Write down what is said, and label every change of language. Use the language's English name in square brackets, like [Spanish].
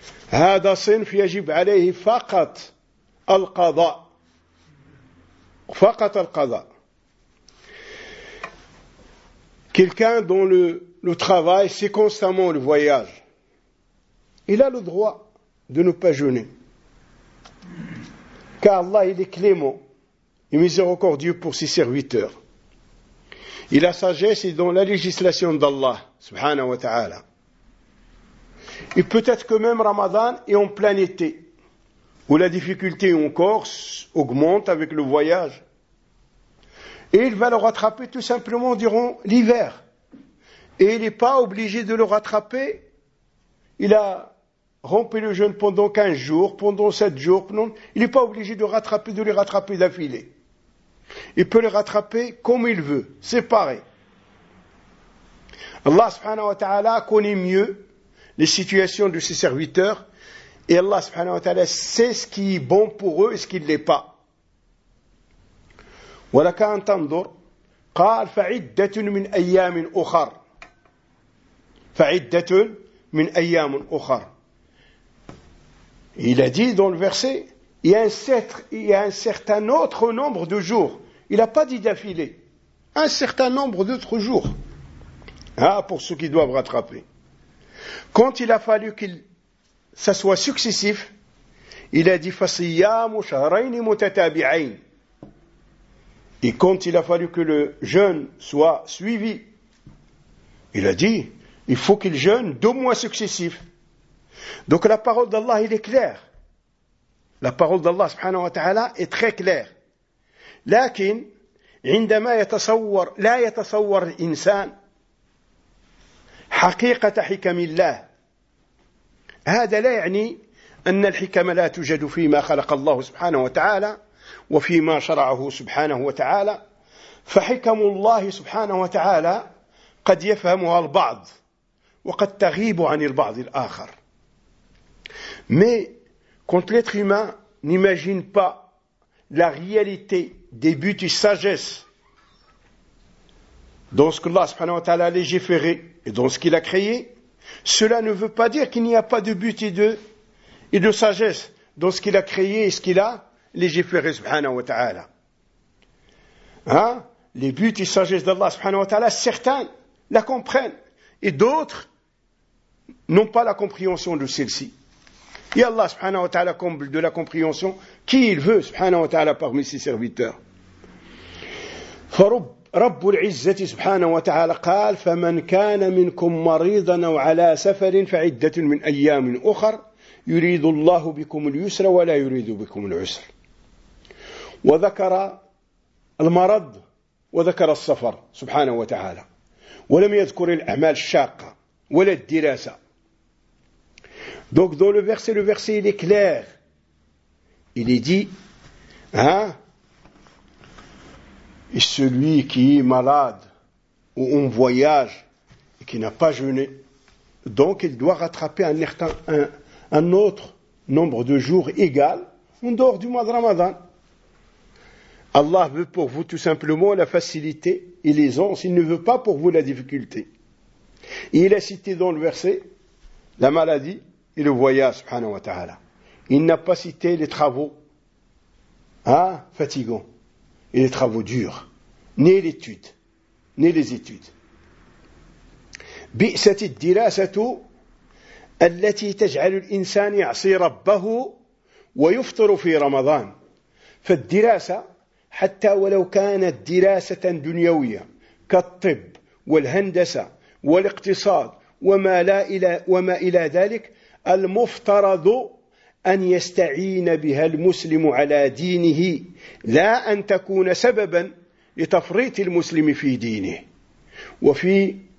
[Arabic] هذا صنف يجب عليه فقط القضاء، فقط القضاء. [French] Quelqu'un dont le travail c'est constamment le voyage, il a le droit de ne pas jeûner. Car Allah il est clément et miséricordieux pour ses serviteurs. Et la sagesse est dans la législation d'Allah, subhanahu wa ta'ala. Et peut-être que même Ramadan est en plein été, où la difficulté encore augmente avec le voyage. Et il va le rattraper tout simplement durant l'hiver. Et il n'est pas obligé de le rattraper. Il a rompu le jeûne pendant 15 jours, pendant 7 jours. Non, il n'est pas obligé de rattraper, de les rattraper d'affilée. Il peut les rattraper comme il veut, séparé. Allah subhanahu wa ta'ala connaît mieux les situations de ses serviteurs. Et Allah subhanahu wa ta'ala sait ce qui est bon pour eux et ce qui ne l'est pas. [Arabic] ولك أن تنظر قال فعدة من أيام أخر، فعدة من أيام أخر. [French] Il a dit dans le verset il y a un certain autre nombre de jours. Il a pas dit d'affilée, un certain nombre d'autres jours. Ah, pour ceux qui doivent rattraper. Quand il a fallu qu'il ça soit successif, il a dit [Arabic] فصيام شهرين متتابعين. [French] Et quand il a fallu que le jeûne soit suivi, il a dit, il faut qu'il jeûne 2 mois successifs. Donc la parole d'Allah, elle est claire. La parole d'Allah, subhanahu wa ta'ala, est très claire. [Arabic] Lakin, عندما يتصور, لا يتصور الإنسان حقيقة حكم الله. هذا لا يعني أن الحكمة لا توجد فيما خلق الله سبحانه وتعالى وفيما شرعه سبحانه وتعالى، فحكم الله سبحانه وتعالى قد يفهمها البعض وقد تغيب عن البعض الآخر. [French] Mais quand l'être humain n'imagine pas la réalité des buts et sagesse dans ce que Allah subhanahu wa ta'ala a légiféré et dans ce qu'il a créé, cela ne veut pas dire qu'il n'y a pas de but et de sagesse dans ce qu'il a créé et ce qu'il a légiféré, subhanahu wa ta'ala. Hein? Les buts et sagesse d'Allah, subhanahu wa ta'ala, certains la comprennent, et d'autres n'ont pas la compréhension de celle-ci. Et Allah, subhanahu wa ta'ala, comble de la compréhension qui il veut, subhanahu wa ta'ala, parmi ses serviteurs. [Arabic] فَرُبْ رَبُّ الْعِزَّةِ سُبْحَانَهُ وَتَعَالَى قَالَ فَمَنْ كَانَ مِنْكُمْ مَرِيضًا وَعَلَى سَفَرٍ فَعِدَّةٌ مِنْ أَيَّامٍ أُخَرٍ يريد الله بكم اليسر ولا يريد بكم العسر. وذكر المرض وذكر السفر سبحانه وتعالى، ولم يذكر الأعمال الشاقة ولا الدراسة. [French] Donc dans le verset il est clair. Il est dit, hein, celui qui est malade ou en voyage et qui n'a pas jeûné, Donc, il doit rattraper en écartant un autre nombre de jours égal en dehors du mois de Ramadan. Allah veut pour vous tout simplement la facilité et l'aisance. Il ne veut pas pour vous la difficulté. Et il a cité dans le verset la maladie et le voyage, subhanahu wa ta'ala. Il n'a pas cité les travaux fatigants et les travaux durs, ni l'étude, ni les études. [Arabic] بئست الدراسة التي تجعل الإنسان يعصي ربه ويفطر في رمضان. فالدراسة حتى ولو كانت دراسة دنيوية كالطب والهندسة والاقتصاد وما إلى ذلك، المفترض أن يستعين بها المسلم على دينه، لا أن تكون سببا لتفريط المسلم في دينه وفي